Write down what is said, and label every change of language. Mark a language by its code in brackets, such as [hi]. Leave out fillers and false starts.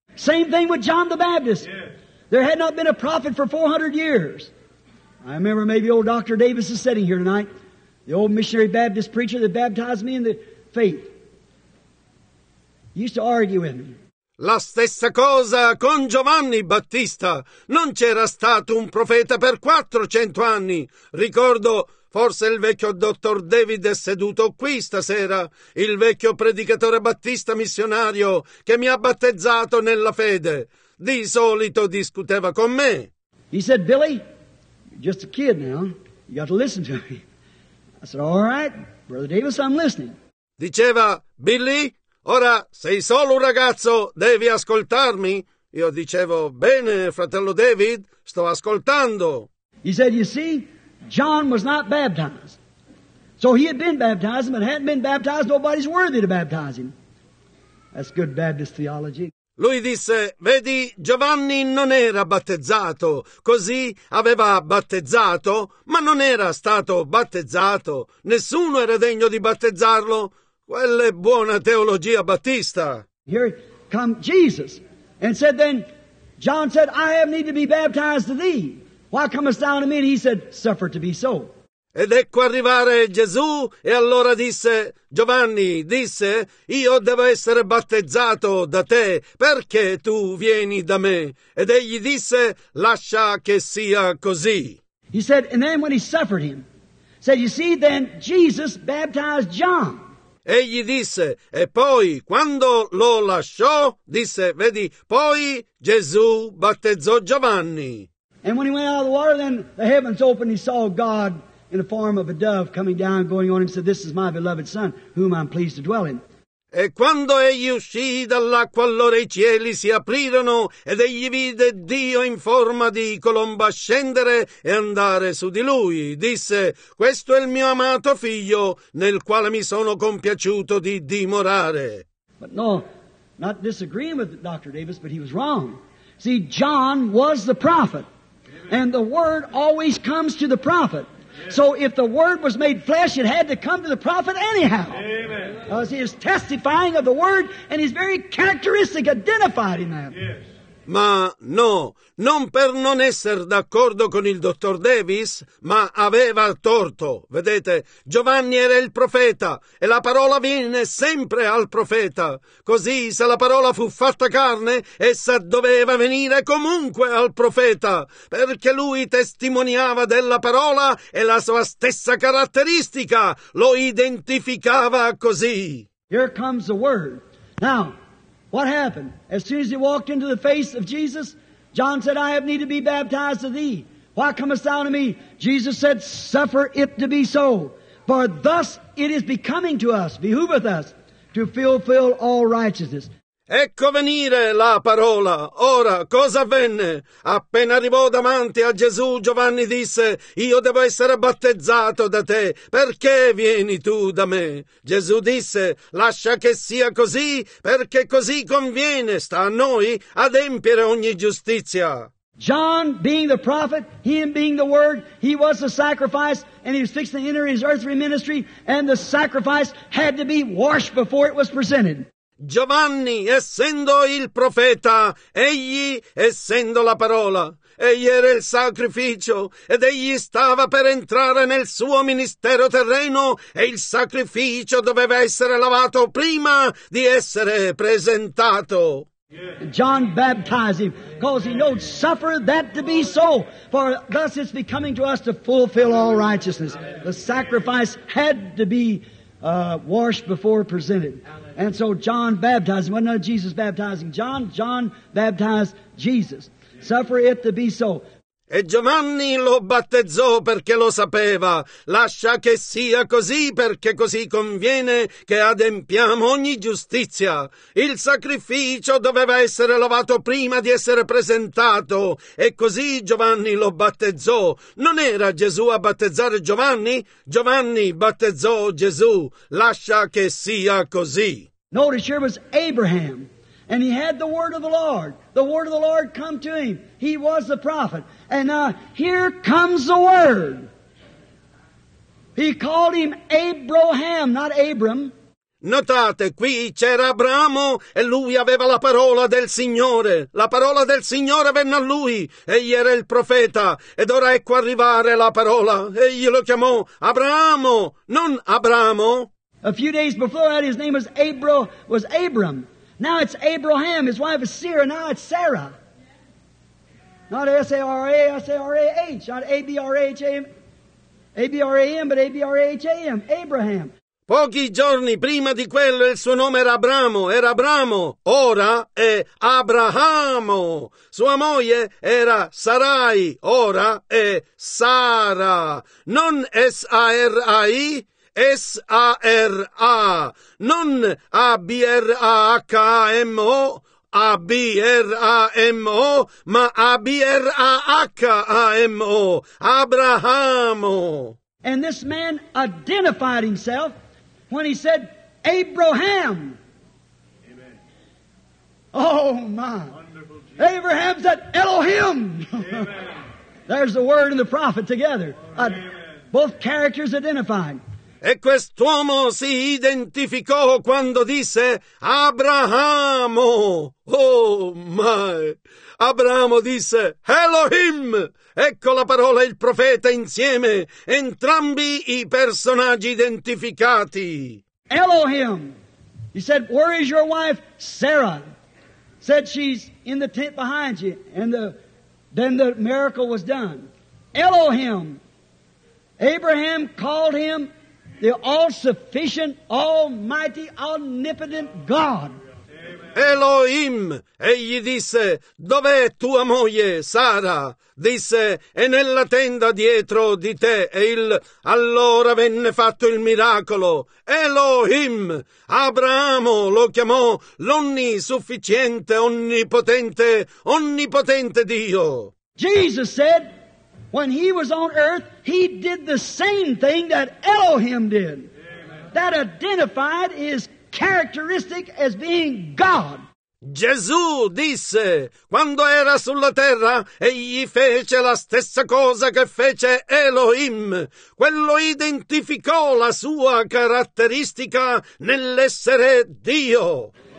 [en] Same thing with John the Baptist. Yes. There had not been a prophet for 400 years. I remember maybe old Dr. Davis is sitting here tonight, the old missionary Baptist preacher that baptized me in the faith. He used to argue with me. [it] La stessa cosa con Giovanni Battista. Non c'era stato un profeta per 400 anni. Ricordo Forse il vecchio dottor David è seduto qui stasera, il vecchio predicatore battista missionario che mi ha battezzato nella fede. Di solito discuteva con me. [en] He said, Billy, you're just a kid now, you got to listen to me. I said, all right, Brother Davis, I'm listening. [it] Diceva, Billy, ora sei solo un ragazzo, devi ascoltarmi. Io dicevo, bene, fratello David, sto ascoltando. [en] He said, you see, John was not baptized. So he had been baptized, but hadn't been baptized, nobody's worthy to baptize him. That's good Baptist theology. [it] Lui disse, vedi, Giovanni non era battezzato, così aveva battezzato, ma non era stato battezzato. Nessuno era degno di battezzarlo. Quella è buona teologia battista. [en] Here come Jesus, and said then, John said, I have need to be baptized to thee. Why comest thou to me? And he said, suffer to be so. [it] Ed ecco arrivare Gesù e allora disse, Giovanni disse, io devo essere battezzato da te, perché tu vieni da me? Ed egli disse, lascia che sia così. [en] He said, and then when he suffered him, said, you see, then Jesus baptized John. [it] Egli disse, e poi, quando lo lasciò, disse, vedi, poi Gesù battezzò Giovanni. [en] And when he went out of the water, then the heavens opened, he saw God in the form of a dove coming down, going on, and said, this is my beloved son, whom I'm pleased to dwell in. [it] E quando egli uscì dall'acqua, allora i cieli si aprirono, ed egli vide Dio in forma di colomba scendere e andare su di lui. Disse, questo è il mio amato figlio, nel quale mi sono compiaciuto di dimorare. [en] But no, not disagreeing with Dr. Davis, but he was wrong. See, John was the prophet, and the word always comes to the prophet. So if the word was made flesh, it had to come to the prophet anyhow. Amen. Because he is testifying of the word, and he's very characteristic, identified in that. Yes. [it] Ma no, non per non essere d'accordo con il dottor Davis, ma aveva torto. Vedete, Giovanni era il profeta, e la parola viene sempre al profeta. Così, se la parola fu fatta carne, essa doveva venire comunque al profeta, perché lui testimoniava della parola e la sua stessa caratteristica lo identificava così. [en] Here comes the word. Now, what happened? As soon as he walked into the face of Jesus, John said, I have need to be baptized of thee. Why comest thou to me? Jesus said, suffer it to be so. For thus it is becoming to us, behooveth us, to fulfill all righteousness. [it] Ecco venire la parola. Ora, cosa avvenne? Appena arrivò davanti a Gesù, Giovanni disse, io devo essere battezzato da te. Perché vieni tu da me? Gesù disse, lascia che sia così, perché così conviene, sta a noi, adempiere ogni giustizia. [en] John, being the prophet, him being the word, he was the sacrifice, and he was fixed to enter his earthly ministry, and the sacrifice had to be washed before it was presented. [it] Giovanni, essendo il profeta, egli, essendo la parola, egli era il sacrificio, ed egli stava per entrare nel suo ministero terreno, e il sacrificio doveva essere lavato prima di essere presentato. [en] John baptized him, because he knows, suffer that to be so, for thus it's becoming to us to fulfill all righteousness. The sacrifice had to be washed before presented. And so John baptized him. Well, no, Jesus baptizing John. John baptized Jesus. Suffer it to be so. [it] E Giovanni lo battezzò perché lo sapeva. Lascia che sia così, perché così conviene che adempiamo ogni giustizia. Il sacrificio doveva essere lavato prima di essere presentato. E così Giovanni lo battezzò. Non era Gesù a battezzare Giovanni? Giovanni battezzò Gesù. Lascia che sia così. [en] Notice here was Abraham, and he had the word of the Lord. The word of the Lord come to him. He was the prophet. And now here comes the word. He called him Abraham, not Abram. [it] Notate, qui c'era Abramo e lui aveva la parola del Signore. La parola del Signore venne a lui. Egli era il profeta. Ed ora ecco arrivare la parola. Egli lo chiamò Abramo, non Abramo. [en] A few days before that, his name was Abram. Now it's Abraham. His wife is Sarah. Now it's Sarah. Not S-A-R-A, S-A-R-A-H. Not A-B-R-A-H-A-M. Abraham, but Abraham, Abraham. [it] Pochi giorni prima di quello il suo nome era Abramo, ora è Abrahamo. Sua moglie era Sarai, ora è Sara. Non S-A-R-A-I, S-A-R-A. Non A-B-R-A-H-A-M-O, A-B-R-A-M-O, ma A-B-R-A-H-A-M-O, Abrahamo. [en] And this man identified himself when he said, Abraham. Amen. Oh, my. Abraham said, Elohim. Amen. There's the word and the prophet together. Amen. Both characters identified. [it] E quest'uomo si identificò quando disse, Abrahamo. [en] Oh, my. [it] Abramo disse, Elohim. Ecco la parola, il profeta insieme, entrambi i personaggi identificati. [en] Elohim. He said, where is your wife? Sarah. Said, she's in the tent behind you. And then the miracle was done. Elohim. Abraham called him the all-sufficient, almighty, omnipotent God. [it] Elohim, egli disse, dov'è tua moglie, Sara? Disse, è nella tenda dietro di te. E il allora venne fatto il miracolo. Elohim, Abramo lo chiamò l'onnisufficiente, onnipotente, onnipotente Dio. [en] Jesus said, when he was on earth, he did the same thing that Elohim did. Amen. That identified is characteristic as being God. [it] Gesù disse, quando era sulla terra, egli fece la stessa cosa che fece Elohim. Quello identificò la sua caratteristica nell'essere Dio.